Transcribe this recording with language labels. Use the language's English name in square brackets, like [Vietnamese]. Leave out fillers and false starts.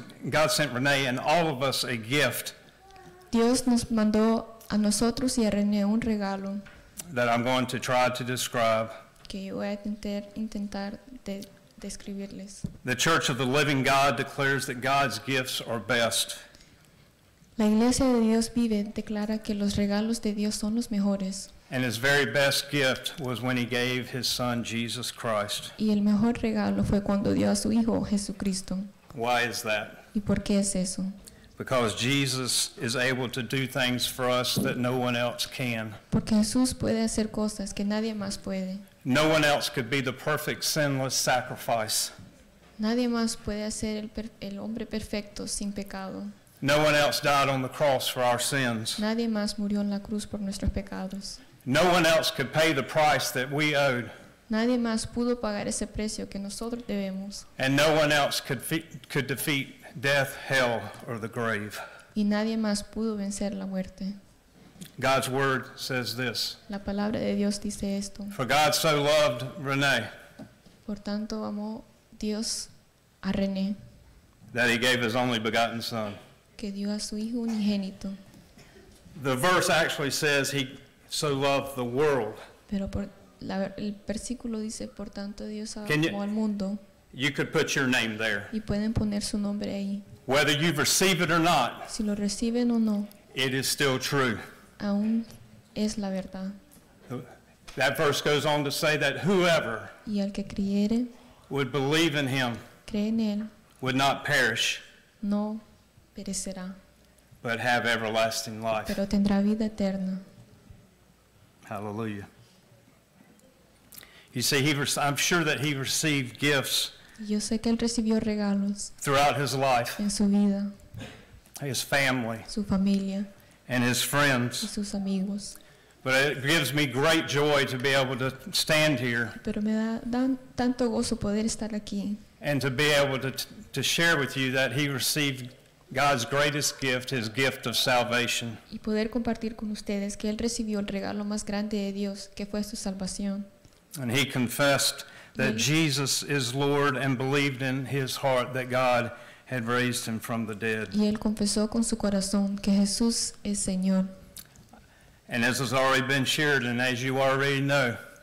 [English] God sent Renee and all of us a gift. [Spanish] Dios nos mandó a nosotros y a Renee un regalo. [English] That I'm going to try to describe. [Spanish] Que yo voy a intentar de describirles. [English] The Church of the Living God declares that God's gifts are best. [Spanish] La Iglesia de Dios vive declara que los regalos de Dios son los mejores. [English] And his very best gift was when he gave his son Jesus Christ. [Spanish] Y el mejor regalo fue cuando dio a su hijo Jesucristo. [English] Why is that? [Spanish] ¿Y por qué es eso? [English] Because Jesus is able to do things for us that no one else can. [Spanish] Porque Jesús puede hacer cosas que nadie más puede. [English] No one else could be the perfect sinless sacrifice. [Spanish] Nadie más puede hacer el hombre perfecto sin pecado. [English] No one else died on the cross for our sins. [Spanish] Nadie más murió en la cruz por nuestros pecados. [English] No one else could pay the price that we owed. [Spanish] Nadie más pudo pagar ese precio que nosotros debemos. [English] And no one else could defeat death, hell, or the grave. [Spanish] Y nadie más pudo vencer la muerte. [English] God's word says this. [Spanish] La palabra de Dios dice esto. [English] For God so loved Renee. [Spanish] Por tanto amó Dios a Renee. [English] That he gave his only begotten son. [Spanish] Que dio a su hijo unigénito. [English] The verse actually says he so loved the world. [Spanish] Pero por la, el versículo dice, por tanto Dios amó al mundo. [English] You could put your name there. [Spanish] Y pueden poner su nombre ahí. [English] Whether you receive it or not. [Spanish] Si lo reciben o no. [English] It is still true. [Spanish] Aún es la verdad. [English] That verse goes on to say that whoever. [Spanish] Y el que creyere. [English] Would believe in him. [Spanish] Cree en él. [English] Would not perish. [Spanish] No perecerá. [English] But have everlasting life. [Spanish] Pero tendrá vida eterna. [English] Hallelujah. You see, I'm sure that he received gifts. [Spanish] Yo sé que él recibió regalos. [English] Throughout his life. [Spanish] En su vida. [English] His family. [Spanish] Su familia. [English] And his friends. [Spanish] Y sus amigos. [English] But it gives me great joy to be able to stand here. [Spanish] Pero me da tanto gozo poder estar aquí. [English] And to be able to share with you that he received God's greatest gift, his gift of salvation. [Spanish] Y poder compartir con ustedes que él recibió el regalo más grande de Dios, que fue su salvación. [English] And he confessed that Jesus is Lord and believed in his heart that God had raised him from the dead. [Spanish] Y él confesó con su corazón que Jesús es Señor. [English] And as has already been shared, and as you already know,